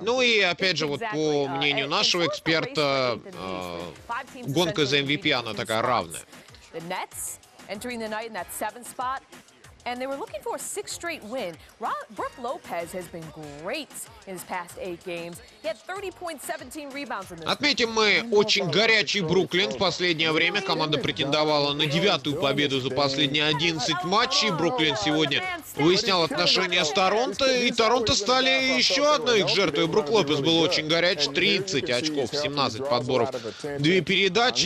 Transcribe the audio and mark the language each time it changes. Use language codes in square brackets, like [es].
[ru] Ну и опять же вот по мнению нашего эксперта, гонка за MVP она такая равная. [en] The Nets entering the night in that seventh spot. And they were looking for a sixth straight win. Brook Lopez has been great in his past 8 games. He had 30.17 rebounds in this. [ru] Отметим мы очень горячий Бруклин в последнее время. Команда претендовала на 9-ю победу за последние 11 матчей. Бруклин сегодня выяснял отношения с Торонто. И Торонто стали еще одной их жертвой. Брук Лопес был очень горяч. 30 очков, 17 подборов, 2 передачи.